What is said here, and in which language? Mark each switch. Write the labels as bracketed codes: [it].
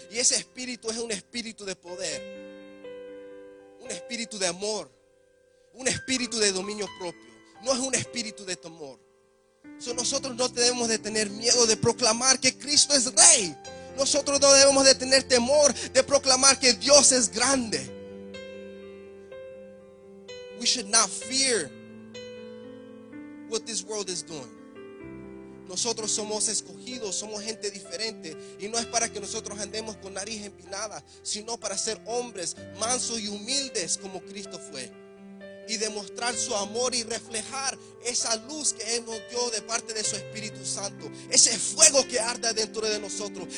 [es] Y ese espíritu es un espíritu de poder, un espíritu de amor, un espíritu de dominio propio. No es un espíritu de temor. So, nosotros no debemos de tener miedo de proclamar que Cristo es Rey. Nosotros no debemos de tener temor de proclamar que Dios es grande. [en] We should not fear what this world is doing. [es] Nosotros somos escogidos, somos gente diferente, y no es para que nosotros andemos con nariz empinada, sino para ser hombres mansos y humildes como Cristo fue, y demostrar su amor y reflejar esa luz que Él nos dio de parte de su Espíritu Santo, ese fuego que arde dentro de nosotros.